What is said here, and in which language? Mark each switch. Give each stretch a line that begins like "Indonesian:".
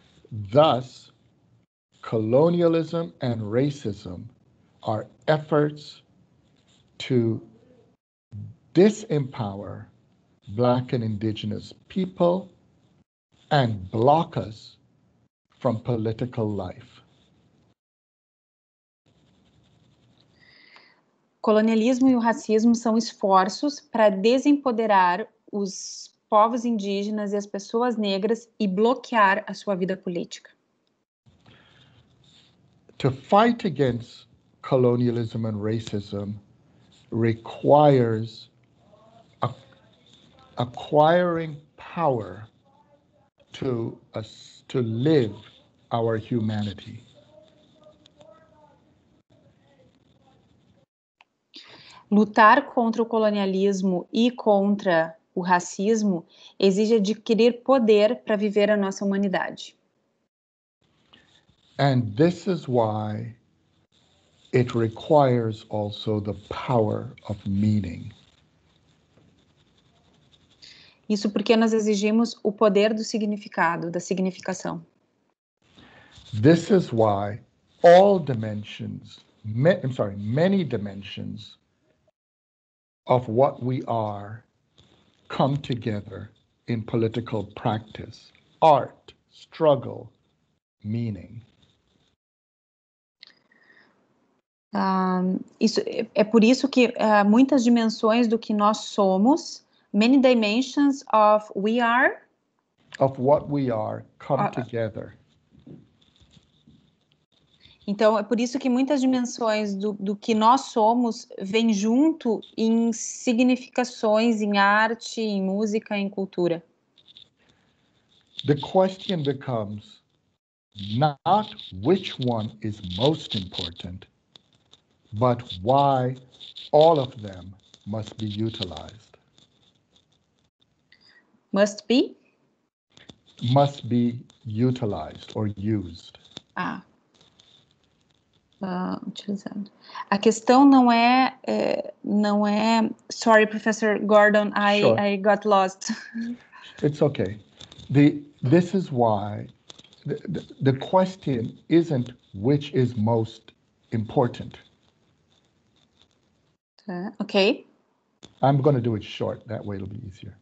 English: Thus, colonialism and racism are efforts to disempower Black and Indigenous people and block us from political life.
Portuguese: Colonialismo e o racismo são esforços para desempoderar os povos indígenas e as pessoas negras e bloquear a sua vida política.
English: To fight against colonialism and racism requires acquiring power to live our humanity.
Portuguese: Lutar contra o colonialismo e contra o racismo exige adquirir poder para viver a nossa humanidade.
English: And this is why it requires also the power of meaning.
Portuguese: Isso porque nós exigimos o poder do significado, da significação.
English: This is why all dimensions, many dimensions of what we are come together in political practice, art, struggle, meaning.
Portuguese: Muitas dimensões do que nós somos,
English: many dimensions of we are, of what we are come together.
Portuguese: Então, é por isso que muitas dimensões do que nós somos vêm junto em significações, em arte, em música, em cultura.
English: The question becomes not which one is most important, but why all of them must be utilized. Must be? Must be utilized or used. Ah.
Portuguese: Utilizando. A questão não é,
English: sorry, Professor Gordon, I got lost. It's okay. This is why the question isn't which is most important. Okay. I'm going to do it short, that way it'll be easier.